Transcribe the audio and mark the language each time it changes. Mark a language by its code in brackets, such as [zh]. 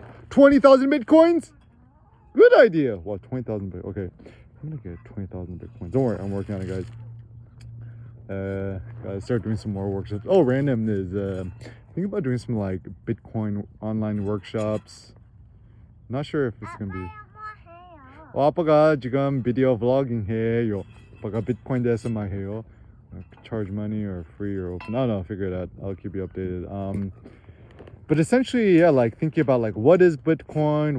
[en] 20,000 bitcoins? Good idea. Well, 20,000 bitcoins. Okay, I'm gonna get 20,000 bitcoins. Don't worry, I'm working on it, guys. Gotta start doing some more workshops. Oh, random is think about doing some like Bitcoin online workshops. Not sure if it's gonna be. [ko] 어, 아빠가 지금 비디오 블로깅 해요. 아빠가 비트코인 대해서만 해요. [en] Charge money or free or open. No, I'll figure it out. I'll keep you updated. But essentially, yeah, like thinking about like what is Bitcoin?